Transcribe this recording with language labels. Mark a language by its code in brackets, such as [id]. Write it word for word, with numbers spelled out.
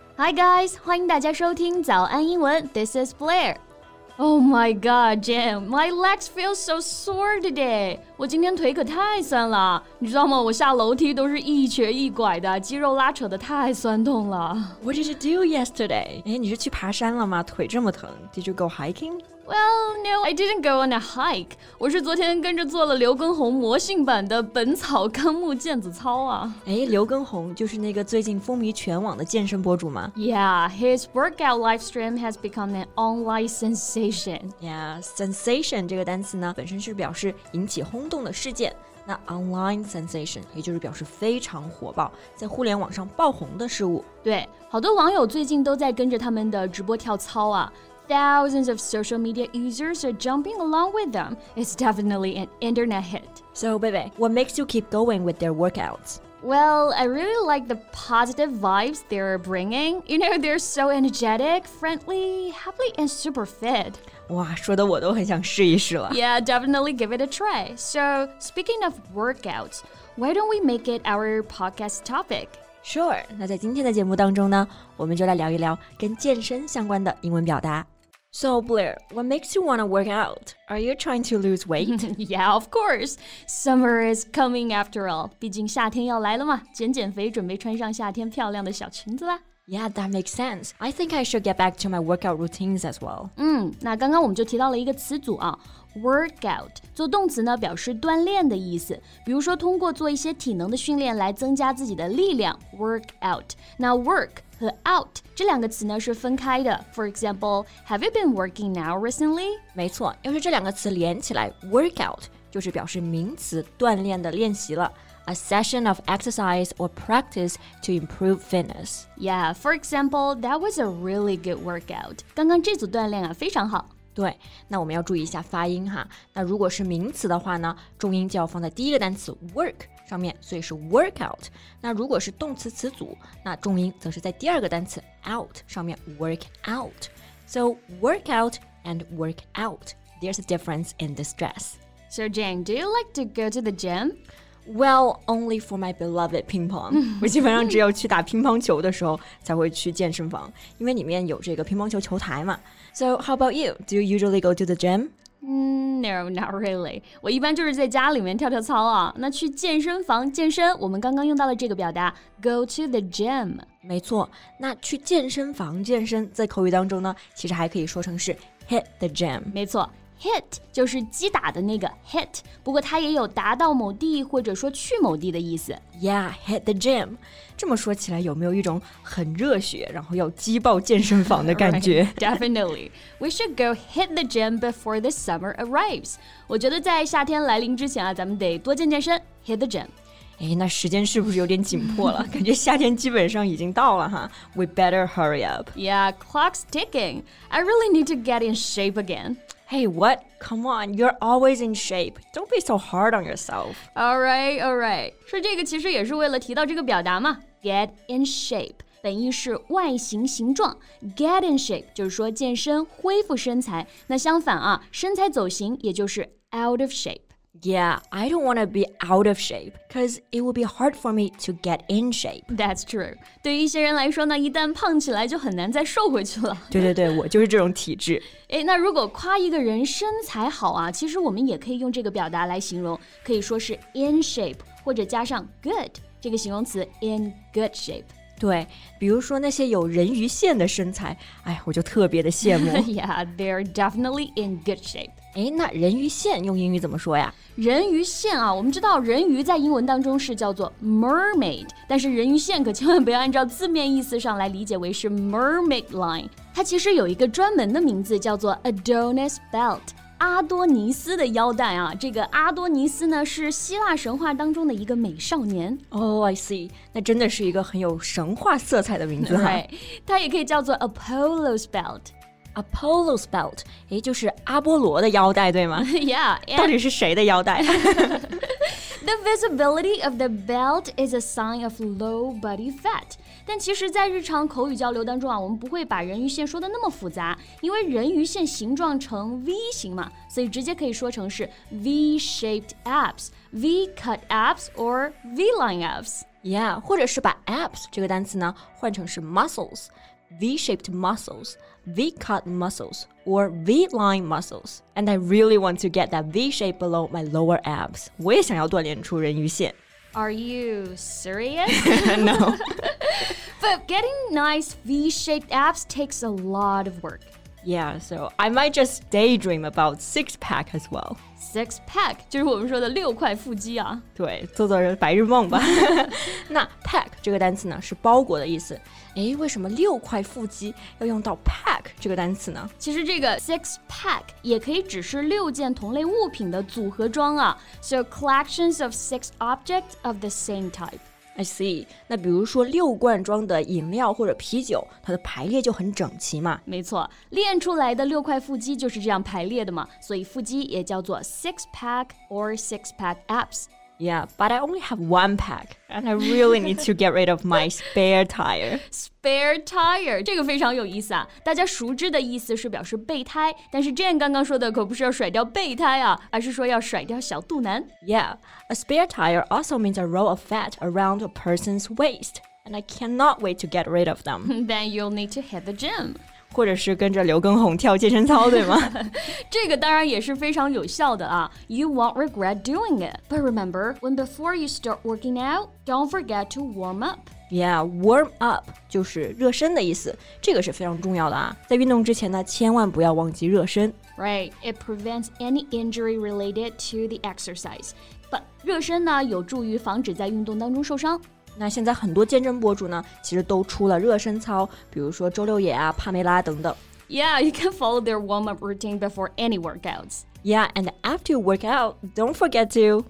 [en] Hi guys, [zh] 欢迎大家收听早安英文 [en] This is Blair. Oh my god, Jen, my legs feel so sore today. [zh] 我今天腿可太酸了，你知道吗？我下楼梯都是一瘸一拐的，肌肉拉扯的太酸痛了。 [en] What did you do yesterday? [zh] 诶，你是去爬山了吗？腿这么疼。 [en] Did you go hiking? Well, no, I didn't go on a hike. [zh] 我是昨天跟着做了刘畊宏魔性版的《本草纲目》毽子操啊。诶，刘畊宏就是那个最近风靡全网的健身博主吗？ [en] Yeah, his workout livestream has become an online sensation. [zh] Yeah, sensation 这个单词呢，本身是表示引起轰动的事件。那 online sensation 也就是表示非常火爆，在互联网上爆红的事物。对，好多网友最近都在跟着他们的直播跳操啊。 [en] Thousands of social media users are jumping along with them. It's definitely an internet hit. So, Bebe, what makes you keep going with their workouts? Well, I really like the positive vibes they're bringing. You know, they're so energetic, friendly, happy, and super fit. [zh] 哇，说的我都很想试一试了。 [en] Yeah, definitely give it a try. So, speaking of workouts, why don't we make it our podcast topic? [zh] Sure, 那在今天的节目当中呢，我们就来聊一聊跟健身相关的英文表达。 [en] So, Blair, what makes you want to work out? Are you trying to lose weight? Yeah, of course. Summer is coming after all. 毕竟夏天要来了嘛，减减肥，准备穿上夏天漂亮的小裙子啦。 Yeah, that makes sense. I think I should get back to my workout routines as well. [zh] 嗯，那刚刚我们就提到了一个词组啊。Workout 做动词呢，表示锻炼的意思，比如说通过做一些体能的训练来增加自己的力量 work out。那 work 和 out 这两个词呢是分开的。 For example, have you been working out recently? 没错，要是这两个词连起来 workout 就是表示名词锻炼的练习了。 [en] A session of exercise or practice to improve fitness. Yeah, for example, that was a really good workout. [zh] 刚刚这组锻炼啊非常好。对，那我们要注意一下发音哈。那如果是名词的话呢，重音就要放在第一个单词 work 上面，所以是 workout。那如果是动词词组，那重音则是在第二个单词 out 上面 work out。 [en] So workout and work out, there's a difference in distress. So Jane, do you like to go to the gym? Well, only for my beloved ping pong. [zh] 我基本上只有去打乒乓球的时候才会去健身房，因为里面有这个乒乓球球台嘛。 [en] So, how about you? Do you usually go to the gym? No, not really. [zh] 我一般就是在家里面跳跳操啊。那去健身房健身，我们刚刚用到了这个表达 go to the gym。没错，那去健身房健身，在口语当中呢，其实还可以说成是 hit the gym。没错。 Hit 就是击打的那个 hit， 不过它也有达到某地或者说去某地的意思。 [en] Yeah, hit the gym. [zh] 这么说起来有没有一种很热血，然后要击爆健身房的感觉？ [en] Right, definitely. We should go hit the gym before the summer arrives. [zh] 我觉得在夏天来临之前啊，咱们得多健健身 ，hit the gym. 哎，那时间是不是有点紧迫了？感觉夏天基本上已经到了哈。 [en] We better hurry up. Yeah, clock's ticking. I really need to get in shape again. Hey, what? Come on, you're always in shape. Don't be so hard on yourself. All right, all right. [zh] 说这个其实也是为了提到这个表达嘛。 Get in shape. 本意是外形形状。 Get in shape 就是说健身恢复身材。那相反啊，身材走形也就是 out of shape. [en] Yeah, I don't want to be out of shape, because it will be hard for me to get in shape. That's true. [zh] 对于一些人来说呢，一旦胖起来就很难再瘦回去了。对对对，我就是这种体质。诶，那如果夸一个人身材好啊，其实我们也可以用这个表达来形容，可以说是 in shape, 或者加上 good, 这个形容词 in good shape. 对，比如说那些有人鱼线的身材，哎，我就特别的羡慕。 [en] Yeah, they're definitely in good shape. [zh] 哎，那人鱼线用英语怎么说呀？人鱼线啊，我们知道人鱼在英文当中是叫做 mermaid， 但是人鱼线可千万不要按照字面意思上来理解为是 mermaid line， 它其实有一个专门的名字叫做 Adonis belt。阿多尼斯的腰带啊，这个阿多尼斯呢是希腊神话当中的一个美少年。 [en] Oh, I see. [zh] 那真的是一个很有神话色彩的名字哈。 [en] Right. [zh] 它也可以叫做 Apollo's belt。 Apollo's belt， 诶，就是阿波罗的腰带对吗 [en] ？Yeah. And... [zh] 到底是谁的腰带？ [en] The visibility of the belt is a sign of low body fat. [zh] 但其实在日常口语交流当中啊，我们不会把人鱼线说得那么复杂，因为人鱼线形状呈 V 型嘛，所以直接可以说成是 V-shaped abs, V-cut abs or V-line abs. [en] Yeah, [zh] 或者是把 abs 这个单词呢换成是 [en] muscles, V-shaped muscles, V-cut muscles, or V-line muscles. And I really want to get that V-shape below my lower abs. [zh] 我也想要锻炼出人鱼线。 [en] Are you serious? No. But getting nice V-shaped abs takes a lot of work. Yeah, so I might just daydream about six-pack as well. [zh] Six-pack 就是我们说的六块腹肌啊。对，做做白日梦吧。那 pack 这个单词呢是包裹的意思。诶，为什么六块腹肌要用到 pack 这个单词呢？其实这个 six-pack 也可以指示六件同类物品的组合装啊。 [en] So collections of six objects of the same type. I see. [zh] 那比如说六罐装的饮料或者啤酒，它的排列就很整齐嘛。没错，练出来的六块腹肌就是这样排列的嘛，所以腹肌也叫做 six pack or six pack abs. [en] Yeah, but I only have one pack, and I really need to get rid of my spare tire. [zh] Spare tire 这个非常有意思啊，大家熟知的意思是表示备胎，但是 Jane 刚刚说的可不是要甩掉备胎啊，而是说要甩掉小肚腩。 [en] Yeah, a spare tire also means a roll of fat around a person's waist, and I cannot wait to get rid of them. Then you'll need to hit the gym. [zh] 或者是跟着刘畊宏跳健身操，对吗？这个当然也是非常有效的啊。 [en] You won't regret doing it. But remember, when before you start working out, don't forget to warm up. [zh] Yeah, warm up 就是热身的意思，这个是非常重要的啊。在运动之前呢，千万不要忘记热身。 [en] Right, it prevents any injury related to the exercise. [zh] But 热身呢，有助于防止在运动当中受伤。那现在很多健身博主呢，其实都出了热身操，比如说周六野啊、帕梅拉等等。 [en] Yeah, you can follow their warm-up routine before any workouts. Yeah, and after you work out, don't forget to